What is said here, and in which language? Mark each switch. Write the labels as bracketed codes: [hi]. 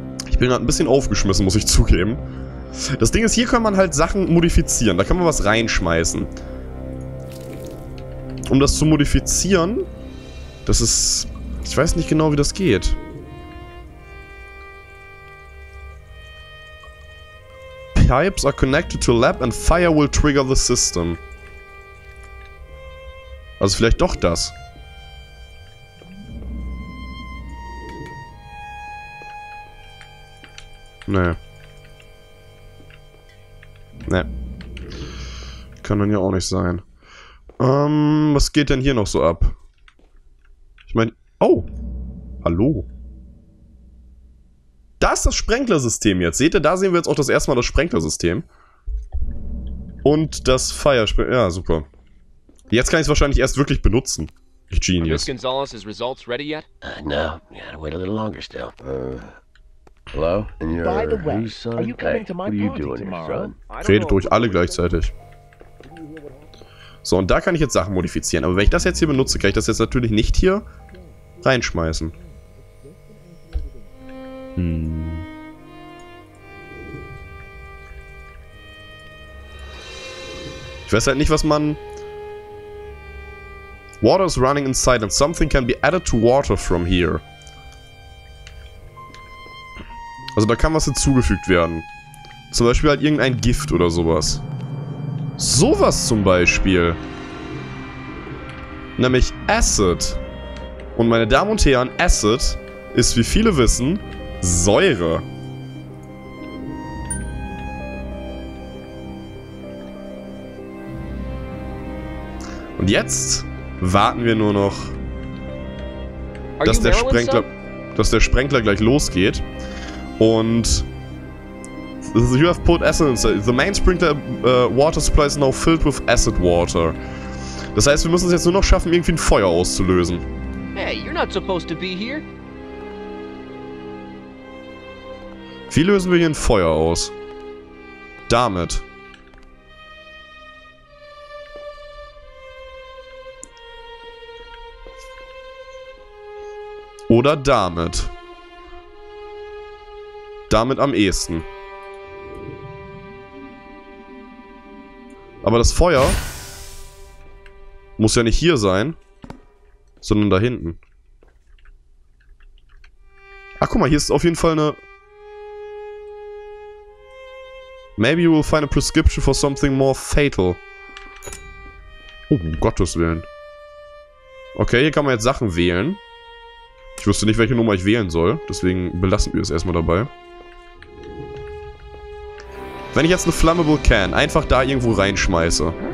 [de] Ich bin halt ein bisschen aufgeschmissen, muss ich zugeben. Das Ding ist, hier kann man halt Sachen modifizieren. Da kann man was reinschmeißen. Um das zu modifizieren... Das ist... Ich weiß nicht genau, wie das geht. [en] Pipes are connected to lab and fire will trigger the system. [de] Also vielleicht doch das. Nee. Nee. Kann dann ja auch nicht sein. Was geht denn hier noch so ab? Ich meine, oh! Hallo! Da ist das Sprenklersystem jetzt. Seht ihr, da sehen wir jetzt auch das erste Mal das Sprenklersystem. Und das Feuersprenkler. Ja, super. Jetzt kann ich es wahrscheinlich erst wirklich benutzen. Ich Genius. [en] Miss Gonzalez, is results ready yet? No, we gotta wait a little longer still. Hello? And you're by the way, are you coming to my party tomorrow? What are you doing here, son? [de] Redet durch alle gleichzeitig. So, und da kann ich jetzt Sachen modifizieren. Aber wenn ich das jetzt hier benutze, kann ich das jetzt natürlich nicht hier reinschmeißen. Ich weiß halt nicht, was man... [en] Water is running inside and something can be added to water from here. [de] Also da kann was hinzugefügt werden. Zum Beispiel halt irgendein Gift oder sowas. Sowas zum Beispiel. Nämlich Acid. Und meine Damen und Herren, Acid ist, wie viele wissen... Säure. Und jetzt warten wir nur noch, dass der Sprengler gleich losgeht. [en] Und you have put acid inside. The main sprinkler water supply is now filled with acid water. [de] Das heißt, wir müssen es jetzt nur noch schaffen, irgendwie ein Feuer auszulösen. [en] Hey, you're not supposed to be here. [de] Wie lösen wir hier ein Feuer aus? Damit. oder damit? Damit am ehesten. Aber das Feuer muss ja nicht hier sein, sondern da hinten. Ach, guck mal, hier ist auf jeden Fall eine... [en] Maybe you will find a prescription for something more fatal. [de] Oh, um Gottes Willen. Okay, hier kann man jetzt Sachen wählen. Ich wusste nicht, welche Nummer ich wählen soll. Deswegen belassen wir es erstmal dabei. Wenn ich jetzt eine Flammable Can einfach da irgendwo reinschmeiße.